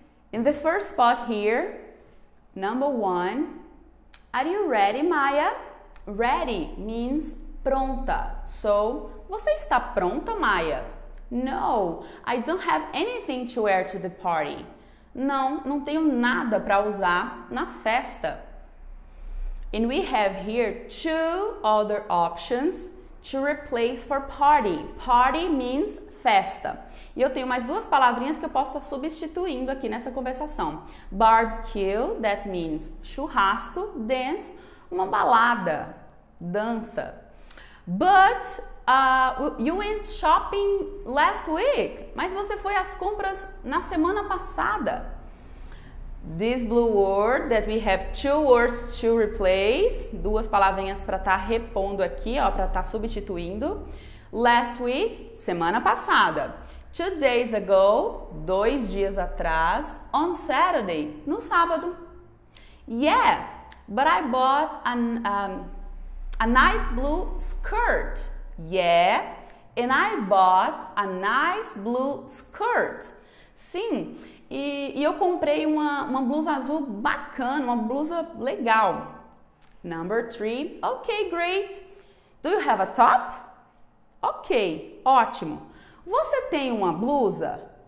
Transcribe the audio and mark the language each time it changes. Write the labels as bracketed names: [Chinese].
[English] In the first spot here, number one, are you ready, Maya? Ready means [Portuguese] pronta. [English] So, [Portuguese] você está pronta, Maya? [English] No, I don't have anything to wear to the party. [Portuguese] Não, não tenho nada para usar na festa. [English] And we have here two other options to replace for party. Party means festa. [Portuguese] E eu tenho mais duas palavrinhas que eu posso estar substituindo aqui nessa conversação. [English] Barbecue, that means churrasco. Dance, [Portuguese] uma balada, dança. [English] But you went shopping last week. [Portuguese] Mas você foi às compras na semana passada. [English] this blue word that we have two words to replace, [Portuguese] duas palavrinhas para estar repondo aqui, ó, para estar substituindo. [English] Last week, [Portuguese] semana passada. [English] 2 days ago, [Portuguese] 2 dias atrás. [English] On Saturday, [Portuguese] no sábado. [English] Yeah, but I bought a nice blue skirt. Yeah, and I bought a nice blue skirt. [Portuguese] Sim, e eu comprei uma blusa azul bacana, uma blusa legal. [English] Number 3, okay, great. Do you have a top? [Portuguese] Okay, ótimo. Você tem uma blusa?